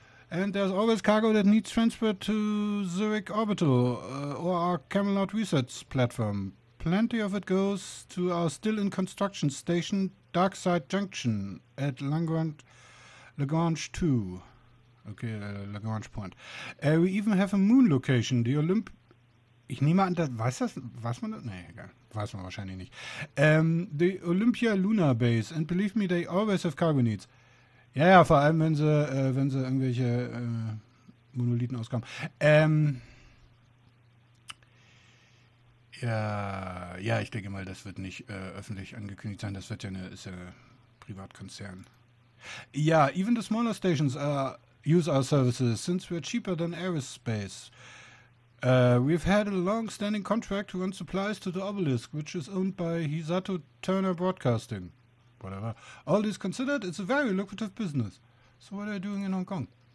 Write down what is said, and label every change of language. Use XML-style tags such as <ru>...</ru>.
<en>And there's always cargo that needs transfer to Zurich Orbital or our Camelot research platform. Plenty of it goes to our still-in-construction station, Darkside Junction, at Lagrange 2. Okay, Lagrange Point. We even have a moon location, the Olymp...</en> <de>Ich nehme an, da, weiß das, weiß man das? Nee, egal. Weiß man wahrscheinlich nicht.</de> <en>The Olympia Lunar Base, and believe me, they always have cargo needs.</en> <de>Ja, vor allem, wenn sie irgendwelche Monolithen auskommen. Ja, ich denke mal, das wird nicht öffentlich angekündigt sein. Das wird ja eine, ist ja ein Privatkonzern.</de> <en>Ja, even the smaller stations use our services, since we're cheaper than aerospace. We've had a long-standing contract to run supplies to the Obelisk, which is owned by Hisato Turner Broadcasting. Whatever. All this considered, it's a very lucrative business. So what are you doing in Hong Kong?</en>